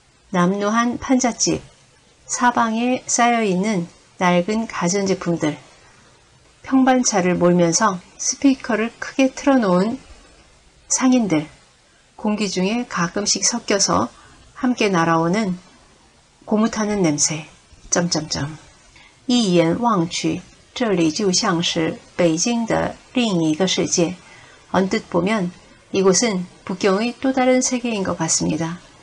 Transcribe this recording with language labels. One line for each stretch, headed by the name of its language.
Korean: 남루한 판잣집, 사방에 쌓여있는 낡은 가전제품들, 평반차를 몰면서 스피커를 크게 틀어놓은 상인들, 공기 중에 가끔씩 섞여서 함께 날아오는 고무 타는 냄새, 점점점.
Chinese: 이연望去, 这里就像是北京的另一个世界.
Korean: 언뜻 보면 이곳은 북경의 또 다른 세계인 것 같습니다.